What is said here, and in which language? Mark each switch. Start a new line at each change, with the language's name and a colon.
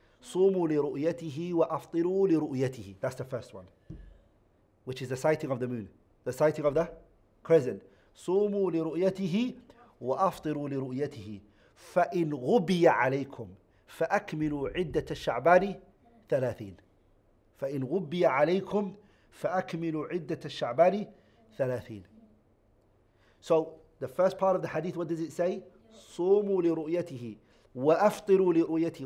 Arabic: صوموا لرؤيته وأفطروا لرؤيته.
English: That's the first one, which is the sighting of the moon, the sighting of the crescent.
Arabic: صوموا لرؤيته وأفطروا لرؤيته فإن غبي عليكم فأكملوا عدة الشعبان 30. فإن غبي عليكم فأكملوا عدة الشعبان 30. So
English: The first part of the hadith, what does it say?
Arabic: صوموا لرؤيته وأفطروا لرؤيته.